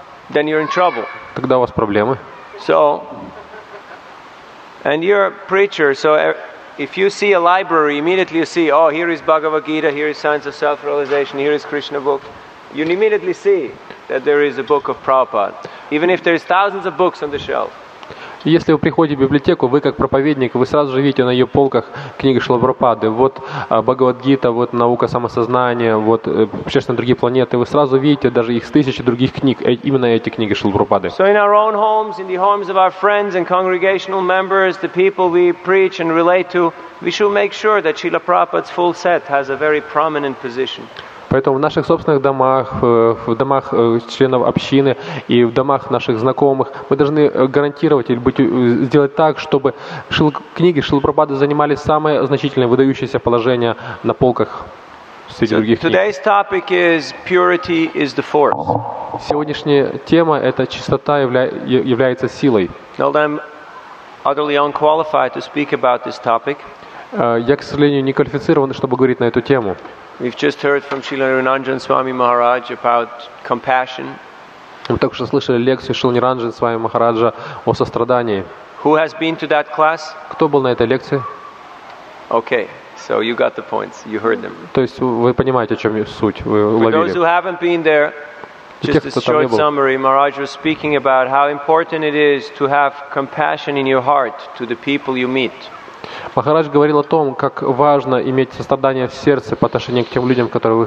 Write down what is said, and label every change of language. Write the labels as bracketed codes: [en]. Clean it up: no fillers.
[en] Then you're in trouble. [ru] Тогда у вас проблемы. [en] So, and you're a preacher, so if you see a library, immediately you see, oh, here is Bhagavad Gita, here is Science of Self-Realization, here is Krishna book. You immediately see that there is a book of Prabhupada, even if there is thousands of books on the shelf. [ru] Если вы приходите в библиотеку, вы как проповедник, вы сразу же видите на ее полках книги Шрилы Прабхупады. Вот Бхагавад-гита, вот наука самосознания, вот общественные другие планеты. Вы сразу видите даже их с тысячи других книг, именно эти книги Шрилы Прабхупады. [en] So in our own homes, in the homes of our friends and congregational members, the people we preach and relate to, we should make sure that Srila Prabhupada's full set has a very prominent position. [ru] Поэтому в наших собственных домах, в домах членов общины и в домах наших знакомых мы должны гарантировать или сделать так, чтобы книги Шрилы Прабхупады занимали самое значительное, выдающееся положение на полках среди других книг. [en] Today's topic is purity is the force. [ru] Сегодняшняя тема – это чистота является силой. [en] Well, I'm utterly unqualified to speak about this topic. [ru] Я, к сожалению, не квалифицирован, чтобы говорить на эту тему. [en] We've just heard from Srila Niranjan Swami Maharaj about compassion. [ru] Мы только что слышали лекцию Шрилы Ниранджан Свами Махараджа о сострадании. [en] Who has been to that class? [ru] Кто был на этой лекции? [en] Okay, so you got the points. You heard them. [ru] То есть вы понимаете, о чем суть. Вы уловили. [en] For those who haven't been there, just a short summary. Maharaj was speaking about how important it is to have compassion in your heart to the people you meet. [ru] Махарадж говорил о том, как важно иметь сострадание в сердце по отношению к тем людям, которые вы